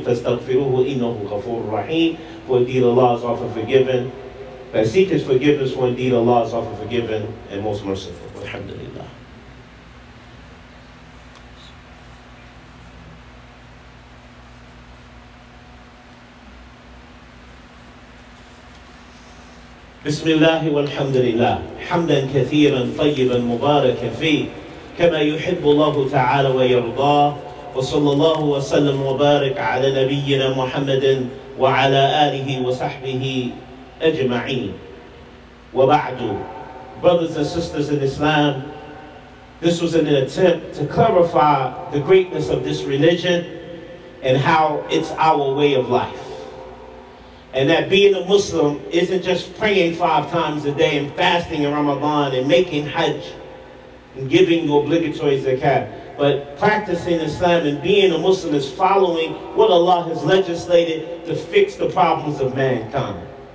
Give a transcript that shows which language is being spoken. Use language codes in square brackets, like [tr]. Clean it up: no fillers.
[ar] فاستغفروه إنه غفور رحيم. [en] For indeed Allah is often forgiven. And seek His forgiveness, for indeed Allah is often forgiven and most merciful. [ar] الحمد لله. بسم الله والحمد لله حمدا كثيرا طيبا مباركا فيه كما يحب الله تعالى ويرضاه وصلى الله وسلم وبارك على نبينا محمد وعلى آله وصحبه أجمعين وبعد [en] Brothers and sisters in Islam, this was an attempt to clarify the greatness of this religion and how it's our way of life. And that being a Muslim isn't just praying five times a day and fasting in Ramadan and making Hajj and giving obligatory zakat, but practicing Islam and being a Muslim is following what Allah has legislated to fix the problems of mankind.